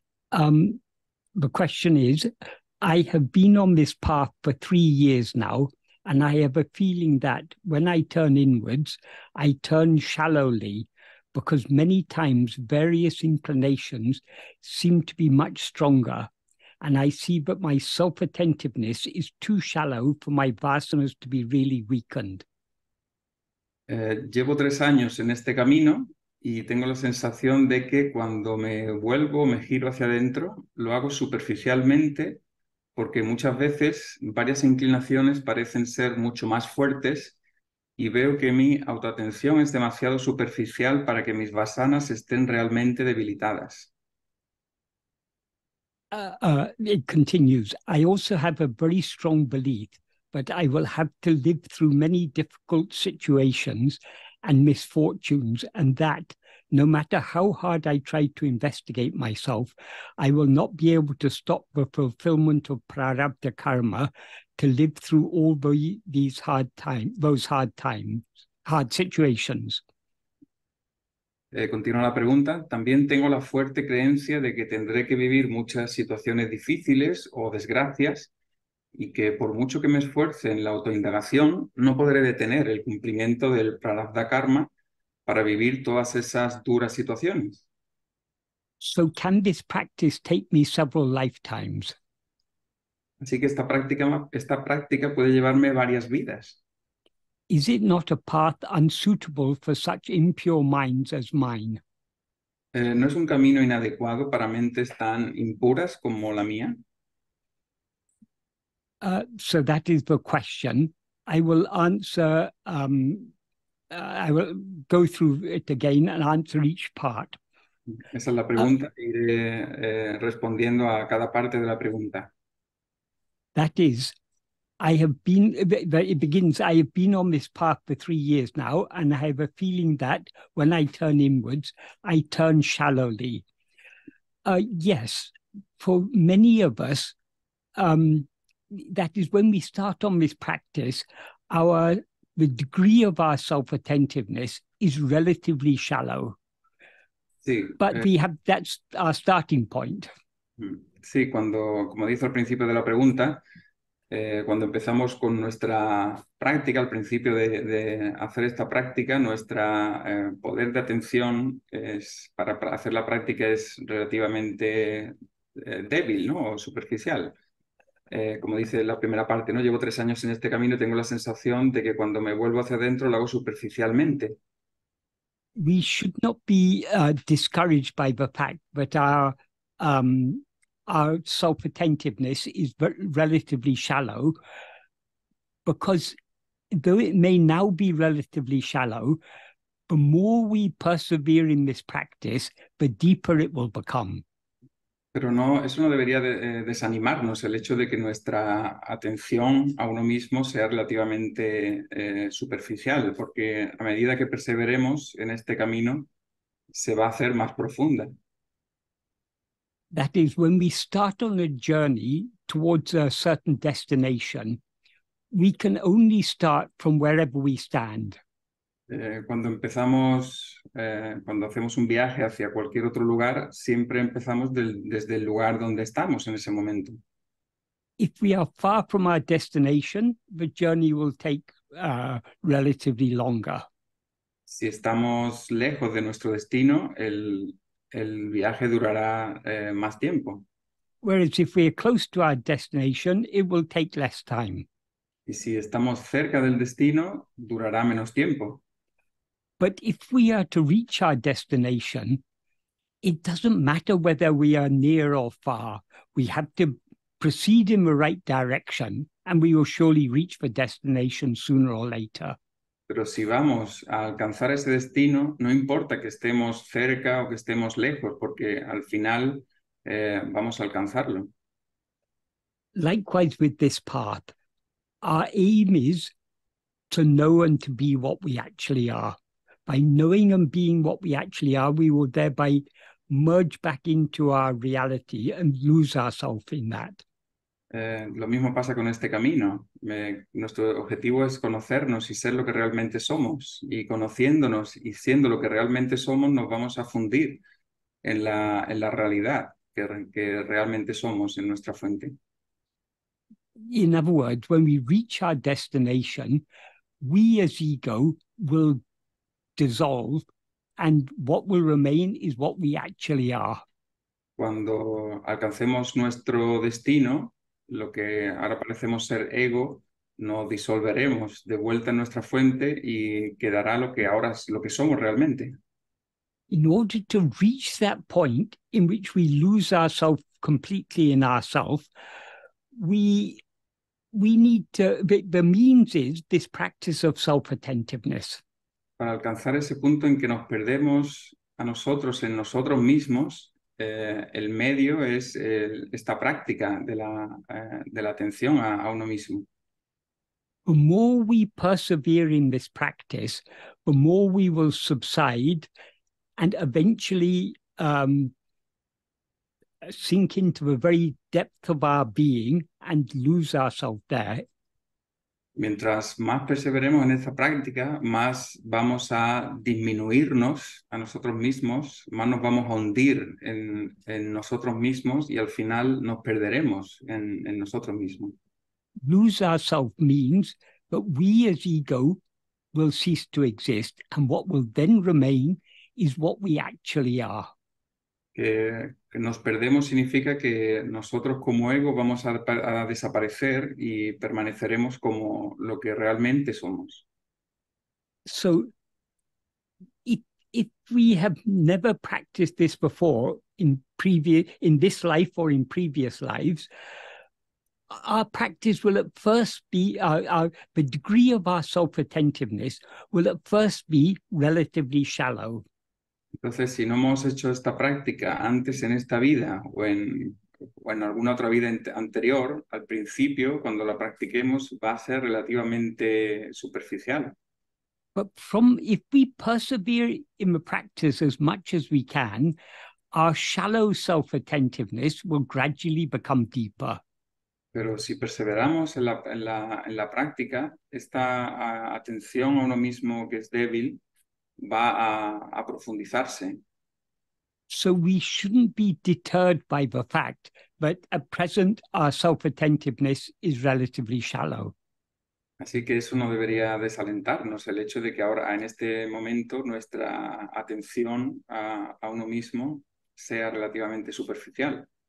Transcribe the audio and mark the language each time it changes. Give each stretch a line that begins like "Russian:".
English: The question is, I have been on this path for 3 years now, and I have a feeling that when I turn inwards, I turn shallowly, because many times various inclinations seem to be much stronger, and I see that my self-attentiveness is too shallow for my vasanas to be really weakened.
Spanish: Llevo 3 años en este camino y tengo la sensación de que cuando me vuelvo, me giro hacia adentro, lo hago superficialmente, porque muchas veces varias inclinaciones parecen ser mucho más fuertes y veo que mi autoatención es demasiado superficial para que mis vasanas estén realmente debilitadas.
English: It continues. I also have a very strong belief that I will have to live through many difficult situations and misfortunes, and that no matter how hard I try to investigate myself, I will not be able to stop the fulfillment of prarabdha karma to live through all those hard situations.
Spanish: Continúa la pregunta. También tengo la fuerte creencia de que tendré que vivir muchas situaciones difíciles o desgracias y que por mucho que me esfuerce en la autoindagación, no podré detener el cumplimiento del prarabdha karma para vivir todas esas duras situaciones.
English: So can this practice take me several lifetimes?
Spanish: Así que esta práctica puede llevarme varias vidas.
English: Is it not a path unsuitable for such impure minds as mine?
Spanish: ¿No es un camino inadecuado para mentes tan impuras como la mía?
English: So that is the question. I will go through it again and answer each part.
Spanish: Esa es la pregunta. Iré respondiendo a cada parte de la pregunta.
English: That is, I have been on this path for 3 years now, and I have a feeling that when I turn inwards, I turn shallowly. Yes, for many of us, that is when we start on this practice, the degree of our self-attentiveness is relatively shallow.
Spanish: Sí,
English: but we have, that's our starting point.
Spanish: Sí, cuando, como dice al principio de la pregunta, cuando empezamos con nuestra práctica, al principio de hacer esta práctica, nuestro poder de atención es, para hacer la práctica es relativamente débil, ¿no? O superficial. Como dice la primera parte, ¿no? Llevo 3 años en este camino y tengo la sensación de que cuando me vuelvo hacia adentro lo hago superficialmente.
English: We should not be discouraged by the fact that our self-attentiveness is relatively shallow, because though it may now be relatively shallow, the more we persevere in this practice, the deeper it will become.
Spanish: Pero no, eso no debería desanimarnos, el hecho de que nuestra atención a uno mismo sea relativamente superficial, porque a medida que perseveremos en este camino, se va a hacer más profunda.
English: That is, when we start on a journey towards a certain destination, we can only start from wherever we stand.
Spanish: Cuando empezamos, cuando hacemos un viaje hacia cualquier otro lugar, siempre empezamos desde el lugar donde estamos en ese momento.
English: If we are far from our destination, the journey will take relatively longer.
Spanish: Si estamos lejos de nuestro destino, el viaje durará más tiempo.
English: Whereas if we are close to our destination, it will take less time.
Spanish: Y si estamos cerca del destino, durará menos tiempo.
English: But if we are to reach our destination, it doesn't matter whether we are near or far. We have to proceed in the right direction, and we will surely reach the destination sooner or later.
Spanish: Pero si vamos a alcanzar ese destino, no importa que estemos cerca o que estemos lejos, porque al final vamos a alcanzarlo.
English: Likewise with this path, our aim is to know and to be what we actually are. By knowing and being what we actually are, we will thereby merge back into our reality and lose ourselves in that.
Spanish: Lo mismo pasa con este camino. Nuestro objetivo es conocernos y ser lo que realmente somos. Y conociéndonos y siendo lo que realmente somos, nos vamos a fundir en la realidad que realmente somos, en nuestra fuente.
English: In other words, when we reach our destination, we as ego will dissolve, and what will remain is what we actually are.
Spanish: Cuando alcancemos nuestro destino, lo que ahora parecemos ser ego, nos disolveremos de vuelta en nuestra fuente y quedará lo que ahora es, lo que somos realmente.
English: In order to reach that point in which we lose ourselves completely in ourselves, we need to, the means is this practice of self-attentiveness.
Spanish: Para alcanzar ese punto en que nos perdemos a nosotros en nosotros mismos, el medio es esta práctica de la atención a uno mismo.
English: The more we persevere in this practice, the more we will subside and eventually sink into the very depth of our being and lose ourselves there.
Spanish: Mientras más perseveremos en esta práctica, más vamos a disminuirnos a nosotros mismos, más nos vamos a hundir en nosotros mismos y al final nos perderemos en nosotros mismos.
English: Lose ourselves means that we as ego will cease to exist, and what will then remain is what we actually are.
Spanish: Que nos perdemos significa que nosotros como ego vamos a desaparecer y permaneceremos como lo que realmente somos.
English: So, if we have never practiced this before in this life or in previous lives, our practice will at first be, the degree of our self-attentiveness will at first be relatively shallow.
Spanish: Entonces, si no hemos hecho esta práctica antes en esta vida o en alguna otra vida anterior, al principio, cuando la practiquemos, va a ser relativamente superficial.
English: But from if we persevere in the practice as much as we can, our shallow self-attentiveness will gradually become deeper.
Spanish: Pero si perseveramos en la práctica, esta atención a uno mismo que es débil va a profundizarse.
English: So we shouldn't be deterred by the fact that at present our self-attentiveness is relatively shallow.
Spanish: Así que eso no debería desalentarnos, el hecho de que ahora, en este momento, nuestra atención a uno mismo sea relativamente superficial.